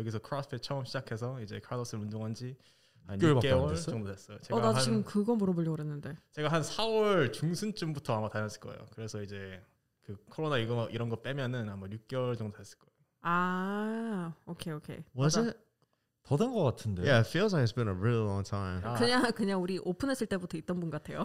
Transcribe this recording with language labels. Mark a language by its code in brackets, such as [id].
[ko] 여기서 크로스핏 처음 시작해서 이제 카르로스 운동한 지 한 6개월 정도 됐어요. 제가 나 지금 그거 물어보려고 그랬는데. 제가 한 4월 중순쯤부터 아마 다녔을 거예요. 그래서 이제 그 코로나 이거 이런 거 빼면은 아마 6개월 정도 됐을 거예요. 아, 오케이 오케이. [en] Was it? [ko] 더 된 거 같은데. [en] Yeah, it feels like it's been a really long time. [ko] 그냥 우리 오픈했을 때부터 있던 분 같아요.